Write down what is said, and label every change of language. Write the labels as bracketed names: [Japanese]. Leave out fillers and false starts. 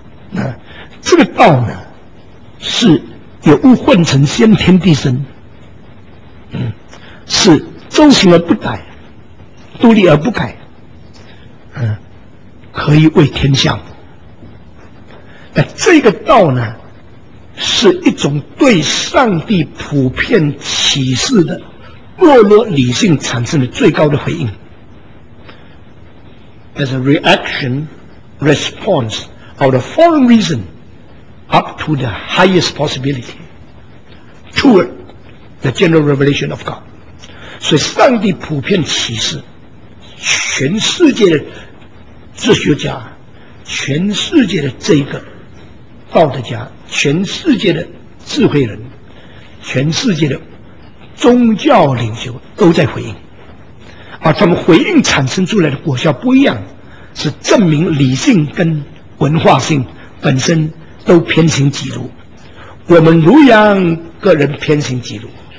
[Chinese] 那这个道呢，是有物混成，先天地生，是周行而不改，独立而不改，可以为天下。那这个道呢，是一种对上帝普遍启示的堕落理性产生的最高的回应。 [English] As a reaction, response, or the foreign reason, up to the highest possibility, toward the general revelation of God. [Chinese] 所以上帝普遍启示，全世界的哲学家，全世界的这个道德家，全世界的智慧人，全世界的宗教领袖都在回应，而他们回应产生出来的果效不一样，是证明理性跟文化性本身都偏行己路，我们儒阳个人偏行己路。